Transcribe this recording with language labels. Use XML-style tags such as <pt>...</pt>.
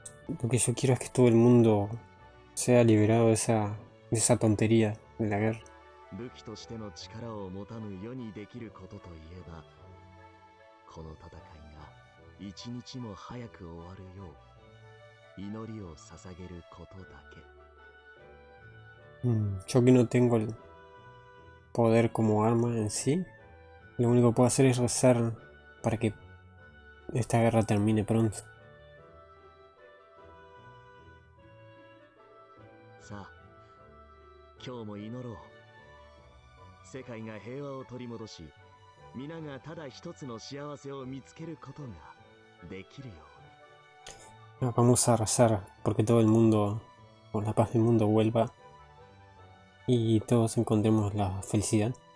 <es>Lo que yo quiero es que todo el mundo sea liberado de esa tontería de la guerra.</es> <ja>武器としての力を持たぬ世にできることといえば、この戦いが一日も早く終わるよう祈りを捧げることだけ。</ja> <es>Yo que no tengo el poder como arma en sí, lo único que puedo hacer es rezar para que esta guerra termine pronto.</es> <ja>さあ、今日も祈ろう。世界が平和を取り戻し、皆がただ一つの幸せを見つけることができるように。</ja> <es>Vamos a rezar porque todo el mundo, o la paz del mundo vuelva y todos encontremos la felicidad.</es>